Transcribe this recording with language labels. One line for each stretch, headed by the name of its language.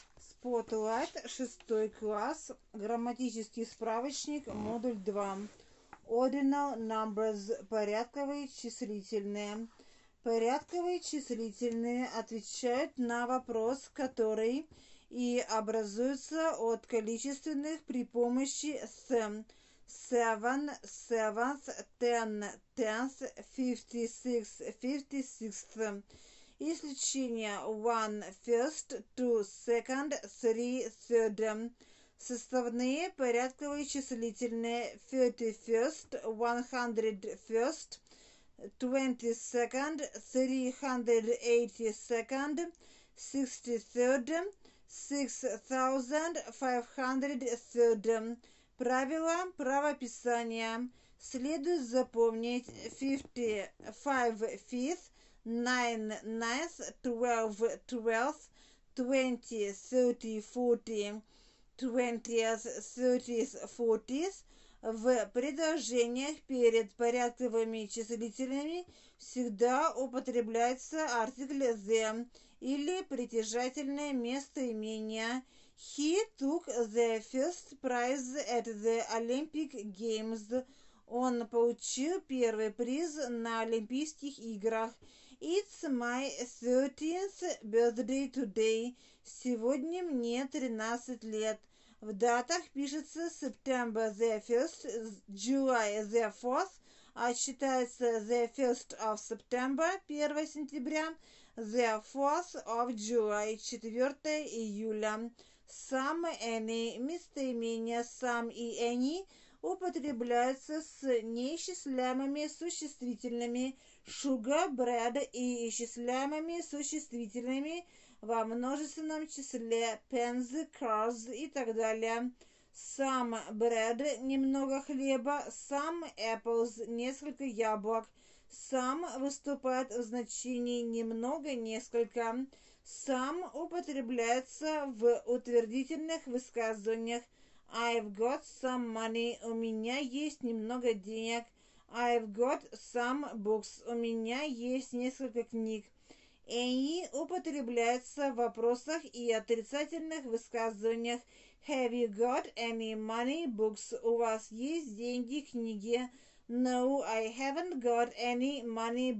Russian: Спотлайт, 6-й класс, грамматический справочник, модуль 2.
English: Ordinal numbers,
Russian: порядковые числительные. Порядковые числительные отвечают на вопрос, который и образуется от количественных при помощи с.
English: Seven, seventh, ten, tenth, fifty-six, fifty-sixth.
Russian: Исключение
English: one first, two second, three third.
Russian: Составные порядковые числительные
English: thirty-first, one hundred first, twenty-second, three hundred eighty-second, sixty-third, six thousand five hundred third.
Russian: Правила правописания. Следует запомнить
English: fifty five fifth. Nine, ninth, twelve, twelfth, twenty, thirty, forty, twentieth, thirtieth, fortieth.
Russian: В предложениях перед порядковыми числителями всегда употребляется артикль the или притяжательное местоимение.
English: He took the first prize at the Olympic Games.
Russian: Он получил первый приз на Олимпийских играх.
English: It's my 13th birthday today.
Russian: Сегодня мне 13 лет. В датах пишется
English: September the 1st, July the 4th,
Russian: а считается
English: the 1st of September,
Russian: 1 сентября,
English: the 4th of July,
Russian: 4 июля.
English: Some, any,
Russian: местоимение
English: some и any
Russian: употребляются с неисчисляемыми существительными
English: sugar, bread
Russian: и исчисляемыми существительными во множественном числе
English: pens, cars
Russian: и так далее.
English: Some bread
Russian: – немного хлеба,
English: some apples
Russian: – несколько яблок. Some выступает в значении немного, несколько. Some употребляется в утвердительных высказываниях.
English: I've got some money.
Russian: У меня есть немного денег.
English: I've got some books.
Russian: У меня есть несколько книг. Any употребляется в вопросах и отрицательных высказываниях.
English: Have you got any money? Books.
Russian: У вас есть деньги, книги.
English: No, I haven't got any money.